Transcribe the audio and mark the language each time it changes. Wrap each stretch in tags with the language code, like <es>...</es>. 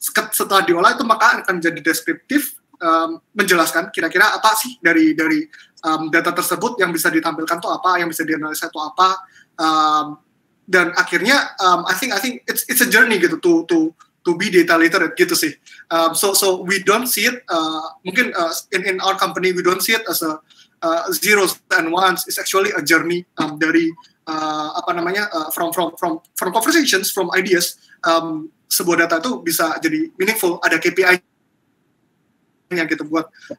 <id>Setelah diolah itu maka akan jadi deskriptif, menjelaskan kira-kira apa sih dari data tersebut yang bisa ditampilkan itu apa, yang bisa dianalisa itu apa, dan akhirnya</id> <en>I think it's a journey</en> <id>gitu</id> <en>to be data literate</en> <id>gitu sih.</id> <en>So we don't see it</en> <id>mungkin</id> <en>in our company we don't see it as a zeros and ones. It's actually a journey from conversations, from ideas.</en> <id>Sebuah data itu bisa jadi meaningful, ada KPI yang kita buat.</id>